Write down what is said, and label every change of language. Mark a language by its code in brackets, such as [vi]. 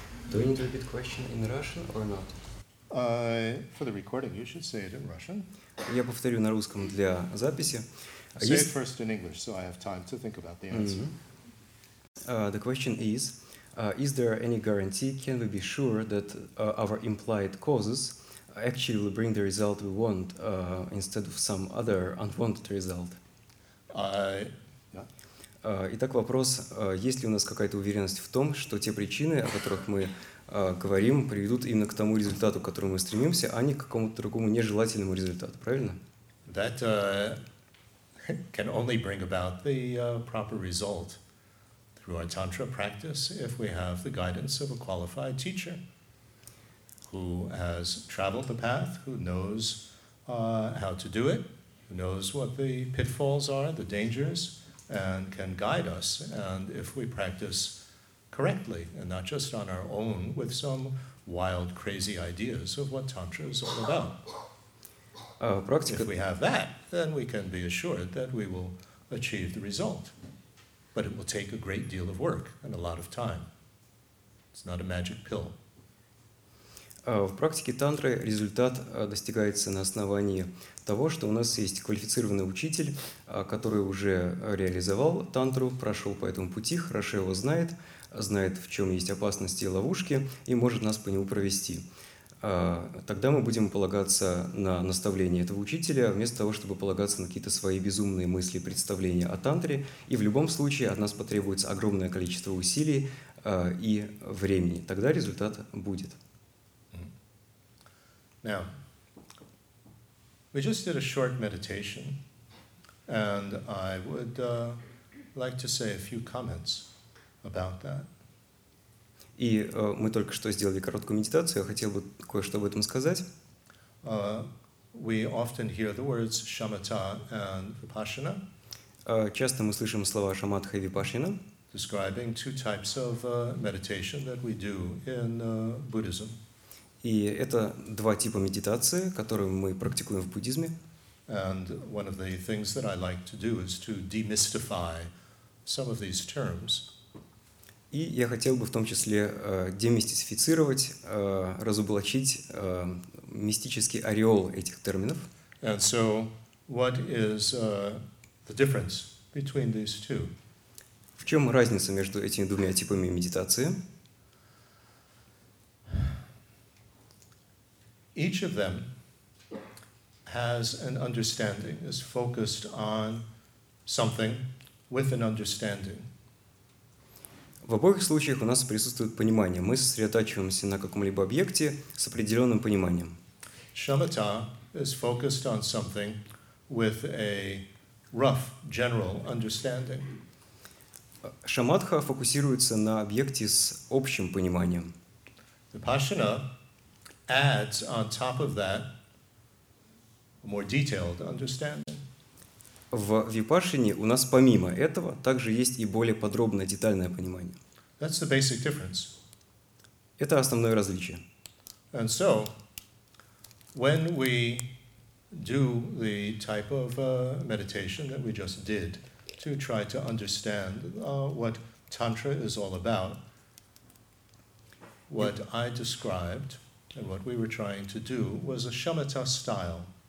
[en] Do we need to repeat the question in Russian or not? For the recording, you should say it in Russian. [ru] Я повторю на русском для записи. [en] Say it first in English, so I have time to think about the answer. Mm-hmm. The question is there any guarantee, can we be sure that our implied causes actually will bring the result we want instead of some other unwanted result? [ru] Итак, вопрос, есть ли у нас какая-то уверенность в том, что те причины, о которых мы говорим, приведут именно к тому результату, к которому мы стремимся, а не к какому-то другому нежелательному результату, правильно? [en] That can only bring about the proper result through our tantra practice if we have the guidance of a qualified teacher who has traveled the path, who knows how to do it, who knows what the pitfalls are, the dangers, and can guide us. And if we practice correctly and not just on our own with some wild, crazy ideas of what tantra is all about. [ru] Практика... [en] If we have that, then we can be assured that we will achieve the result. But it will take a great deal of work and a lot of time. It's not a magic pill. [ru] В практике тантры результат достигается на основании того, что у нас есть квалифицированный учитель, который уже реализовал тантру, прошел по этому пути, хорошо его знает, знает, в чем есть опасности и ловушки, и может нас по нему провести. Тогда мы будем полагаться на наставления этого учителя, вместо того, чтобы полагаться на какие-то свои безумные мысли, представления о тантре, и в любом случае от нас потребуется огромное количество усилий и времени. Тогда результат будет. [en] Now, we just did a short meditation, and I would like to say a few comments about that. [ru] И мы только что сделали короткую медитацию, я хотел бы кое-что об этом сказать. [en] We often hear the words shamatha and vipassana. [ru] Часто мы слышим слова шаматха и випашина. [en] Describing two types of meditation that we do in Buddhism. [ru] И это два типа медитации, которые мы практикуем в буддизме. [en] And one of the things that I like to do is to demystify some of these terms. [ru] И я хотел бы в том числе демистифицировать, разоблачить мистический ореол этих терминов. [en] And so, what is the difference between these two? [ru] В чем разница между этими двумя типами медитации? [en] Each of them has an understanding, is focused on something with an understanding. [ru] В обоих случаях у нас присутствует понимание. Мы сосредотачиваемся на каком-либо объекте с определенным пониманием. [en] Shamatha is focused on something with a rough, general understanding. [ru] Шамадха фокусируется на объекте с общим пониманием. [en] Vipassana adds on top of that a more detailed understanding. [ru] В випашине у нас помимо этого также есть и более подробное детальное понимание. [en] That's the basic difference. [ru] Это основное различие. [en] And so, when we do the type of meditation that we just did to try to understand what Tantra is all about, what I described and what we were trying to do was a shamatha style.